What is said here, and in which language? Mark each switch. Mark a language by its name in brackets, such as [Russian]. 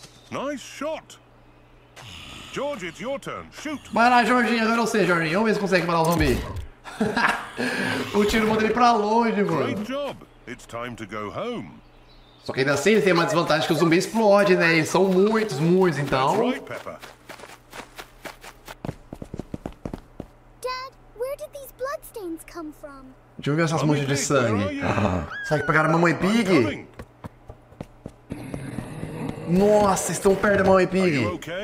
[English] Nice shot. George, it's your turn. Shoot. [Portuguese] Vai lá, Jorginho. Agora eu sei, Jorginho. Vamos ver se consegue matar o zumbi. O tiro manda ele pra longe, mano. [English] Great job. It's time to go home. [Portuguese] Só que ainda assim ele tem uma desvantagem que o zumbi explode, né? Eles são muitos, muitos, então. [English] That's right, Peppa. Dad, where did these bloodstains come from? [Portuguese] De onde vieram essas manchas de sangue? Será que pegaram a mamãe Pig? Nossa, estão perto da mamãe Pig.